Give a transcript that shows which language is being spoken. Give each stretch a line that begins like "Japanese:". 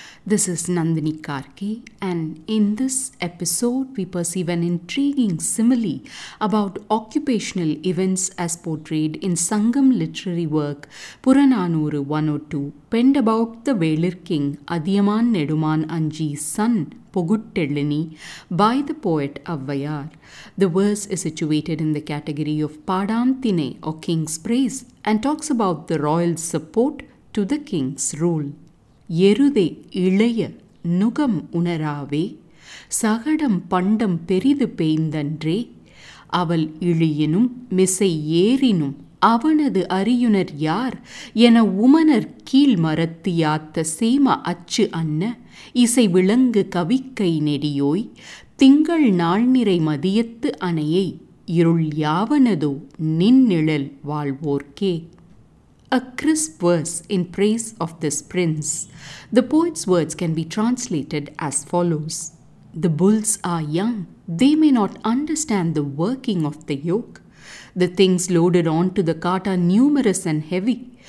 English: This is Nandini Karki, and in this episode we perceive an intriguing simile about occupational events as portrayed in Sangam literary work Purananuru 102, penned about the Velir King Adiyaman Neduman Anji's son Poguttellini by the poet Avvayar. The verse is situated in the category of Padanthine or King's Praise and talks about the royal support to the king's rule.
Tamil: எருதே இளைய நுகம் உணராவே சகடம் பண்டம் பெரிது பெய்ந்தன்றே அவள் இழியினும் மிசை ஏறினும் அவனது அரியுனர் யார் என உமனர் கீழ் மரத்து யாத்த சேம அச்சு அன்ன இசை விளங்கு கவிக்கை நெடியோய் திங்கள் நாள் நிறை மதியத்து அணையை இருள் யாவனதோ நின்னிழல் வாழ்வோர்க்கே.
English: A crisp verse in praise of this prince. The poet's words can be translated as follows. The bulls are young. They may not understand the working of the yoke. The things loaded onto the cart are numerous and heavy.